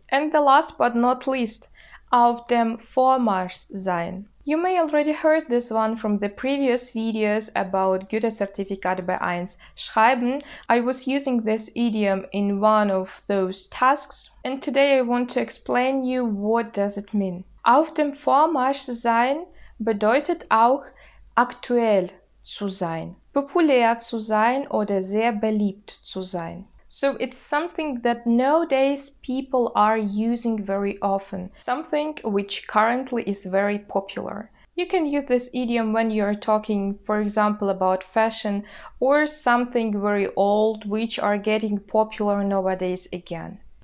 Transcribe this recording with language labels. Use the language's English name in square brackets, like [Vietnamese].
[English] And the last but not least, [German] auf dem Vormarsch sein. [English] You may already heard this one from the previous videos about Gütezertifikate B1 schreiben. I was using this idiom in one of those tasks. And today I want to explain you what does it mean. [German] Auf dem Vormarsch sein bedeutet auch aktuell zu sein, populär zu sein oder sehr beliebt zu sein. [English] So it's something that nowadays people are using very often, something which currently is very popular. You can use this idiom when you're talking, for example, about fashion or something very old which are getting popular nowadays again.